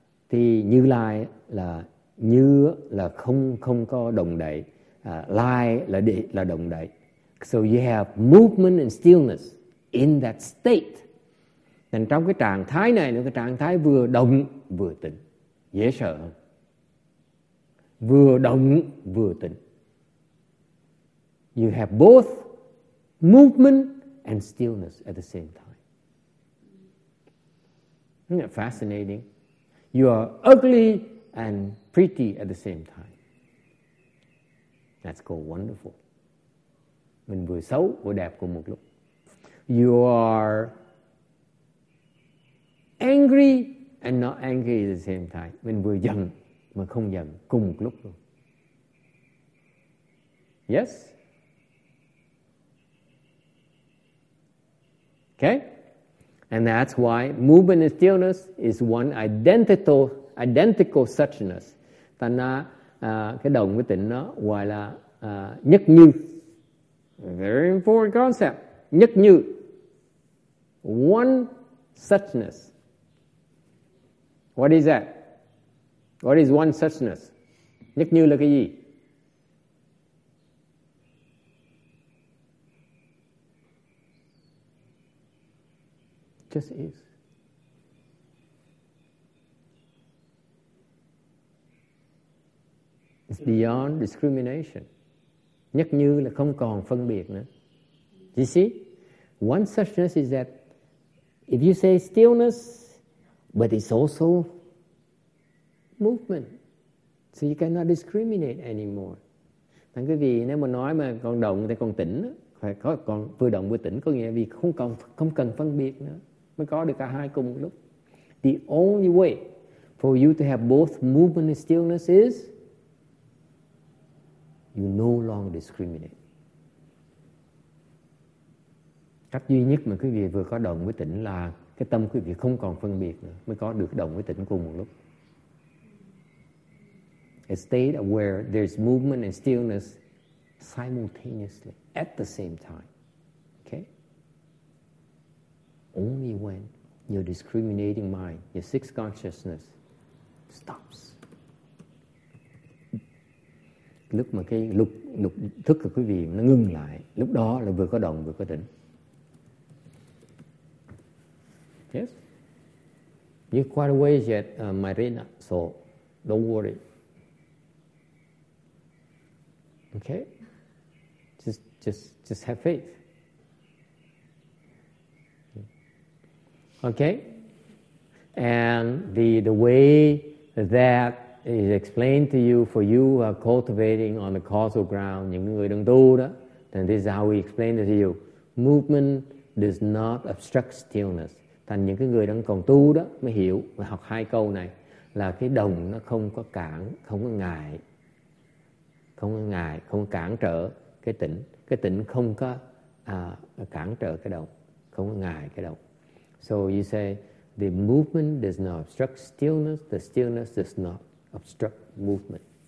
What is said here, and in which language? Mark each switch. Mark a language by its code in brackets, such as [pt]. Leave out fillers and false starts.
[vi] Thì như lai là như là không có động đậy, lai là đi, là động đậy. [en] So you have movement and stillness in that state. [vi] Nên trong cái trạng thái này là cái trạng thái vừa động vừa tĩnh, dễ sợ không? Vừa động vừa tĩnh. [en] You have both movement and stillness at the same time. Isn't that fascinating? You are ugly and pretty at the same time. That's called wonderful. [vi] Mình vừa xấu vừa đẹp cùng một lúc. [en] You are angry and not angry at the same time. [vi] Mình vừa giận mà không giận cùng một lúc luôn. [en] Yes? Okay? And that's why movement and stillness is one identical suchness. [vi] Thành ra cái đồng với tỉnh nó gọi là nhất như. [en] Very important concept. Nhất như. One suchness. What is that? What is one suchness? [vi] Nhất như là cái gì? [en] Just is. It's beyond discrimination. [vi] Nhất như là không còn phân biệt nữa. [en] You see? One suchness is that if you say stillness, but it's also movement. So you cannot discriminate anymore. [vi] Thành quý vị, nếu mà nói mà còn động thì còn tỉnh, phải có còn vừa động vừa tỉnh, có nghĩa vì không cần phân biệt nữa, mới có được cả hai cùng một lúc. [en] The only way for you to have both movement and stillness is you no longer discriminate. [vi] Cách duy nhất mà quý vị vừa có động với tỉnh là cái tâm quý vị không còn phân biệt nữa, mới có được động với tỉnh cùng một lúc. [en] A state where there's movement and stillness simultaneously at the same time. Okay? Only when your discriminating mind, your sixth consciousness, stops. [vi] Lúc mà cái lục thức của quý vị nó ngưng lại, lúc đó là vừa có động vừa có tỉnh. [en] Yes? You're quite away yet, Marina, so don't worry. Okay? Just have faith. Okay? And the way that is explained to you for you who are cultivating on the causal ground, [vi] những người đang tu đó, [en] then this is how we explain it to you. Movement does not obstruct stillness. [vi] Thành những cái người đang còn tu đó mới hiểu, mới học hai câu này. là cái đồng nó không có cản, không có ngại, không có ngại, không có cản trở cái tỉnh. Cái tỉnh không có cản trở cái đồng, không có ngại cái đồng. [en] So you say, the movement does not obstruct stillness, the stillness does not obstruct movement.